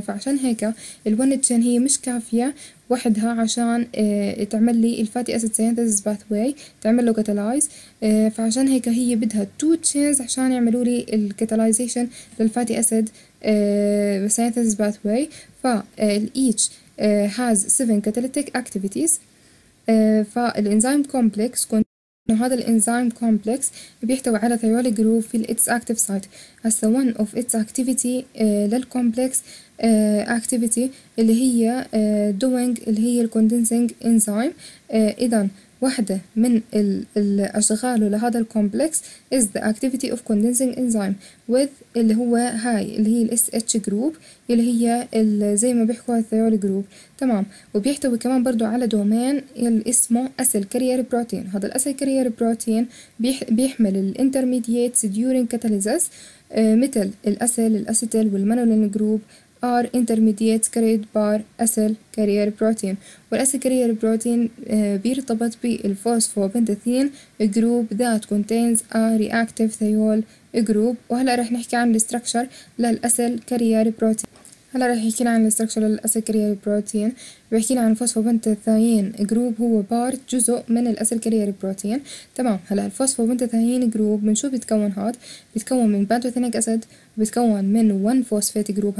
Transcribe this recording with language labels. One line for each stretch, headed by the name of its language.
Arabic: فعشان هيك الون تشين هي مش كافيه وحدها عشان تعمل لي الفاتي اسيد سينثيسيس باث واي تعمل له كاتالايز. فعشان هيك هي بدها تو تشينز عشان يعملوا لي الكاتالايزيشن للفاتي اسيد سينثيسيس باث واي.
English: فالايتش has 7 catalytic activities.
Arabic: فالإنزيم كومبلكس كون هذا الإنزيم كومبلكس بيحتوي على ثيولي جروب في
English: its active site.
Arabic: هسا
English: one of its activity
Arabic: للكومبلكس activity اللي هي doing اللي هي الكوندنسينج إنزيم. إذن واحدة من الأشغال لهذا الكومبلكس
English: is the activity of condensing enzyme with
Arabic: اللي هو هاي اللي هي SH group اللي هي زي ما بيحكوا الثيول group. تمام. وبيحتوي كمان برضو على دومين اللي اسمه acyl carrier protein. هذا acyl carrier protein بيحمل
English: intermediates during catalysis
Arabic: مثل الأسل الأسيتيل والمانولين
English: group are intermediates carried by acyl carrier protein.
Arabic: والacyl carrier protein بيرتبط بالفوسفوبنتاثين
English: group that contains a reactive thiol group.
Arabic: وهلا رح نحكي عن الستركشر للacyl carrier protein. هلا رح يحكي عن الستركشر للacyl carrier protein. بيحكي عن الفوسفوبنتاثين group هو part جزء من الacyl carrier protein. تمام. هلا الفوسفوبنتاثين group من شو بيتكون؟ هاد بيتكون من pantothenic acid بتكون من 1 فوسفات جروب.